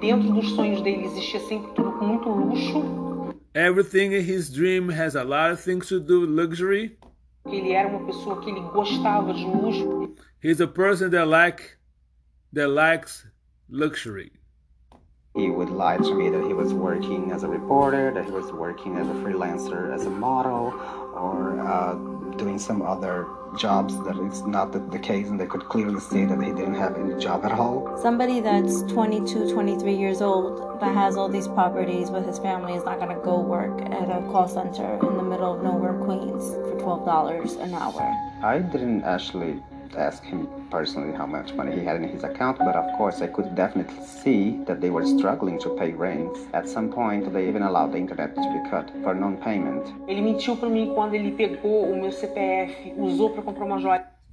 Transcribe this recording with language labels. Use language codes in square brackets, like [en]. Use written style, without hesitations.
[pt] Dentro dos sonhos dele existia sempre tudo com muito luxo. [en] Everything in his dream has a lot of things to do with luxury. [pt] Ele era uma pessoa que ele gostava de luxo. [en] He's a person that likes luxury. He would lie to me that he was working as a reporter, that he was working as a freelancer, as a model, or doing some other jobs that it's not the case, and they could clearly see that he didn't have any job at all. Somebody that's 22, 23 years old that has all these properties with his family is not going to go work at a call center in the middle of nowhere, Queens, for $12 an hour. I didn't actually ask him personally how much money he had in his account, but of course I could definitely see that they were struggling to pay rent. At some point, they even allowed the internet to be cut for non-payment. [pt] Ele mentiu para mim quando ele pegou o meu CPF, usou para comprar uma joia.